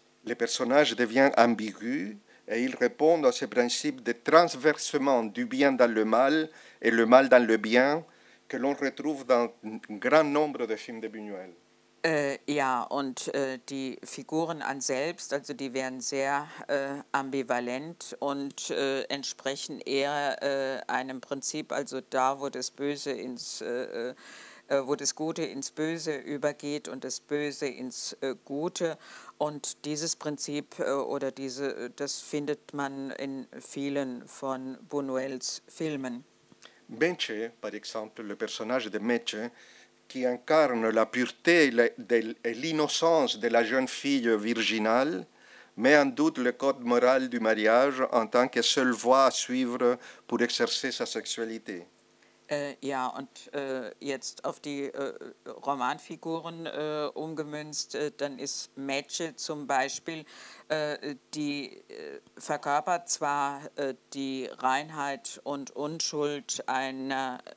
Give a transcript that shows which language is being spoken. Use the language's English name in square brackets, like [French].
[French] Le personnage devient ambigu. Et ils répondent à ce principe de transversement du bien dans le mal et le mal dans le bien que l'on retrouve dans un grand nombre de films de Buñuel. [German] Ja, und die Figuren an selbst, also die werden sehr ambivalent und entsprechen eher einem Prinzip, also da, wo das Böse ins wo das Gute ins Böse übergeht und das Böse ins Gute. Und dieses Prinzip oder diese, das findet man in vielen von Buñuels Filmen. [French] Meche, par exemple, le personnage de Meche, qui incarne la pureté et l'innocence de la jeune fille virginale, met en doute le code moral du mariage en tant que seule voie à suivre pour exercer sa sexualité. [German] Ja, und jetzt auf die Romanfiguren umgemünzt, dann ist Meche zum Beispiel, die verkörpert zwar die Reinheit und Unschuld einer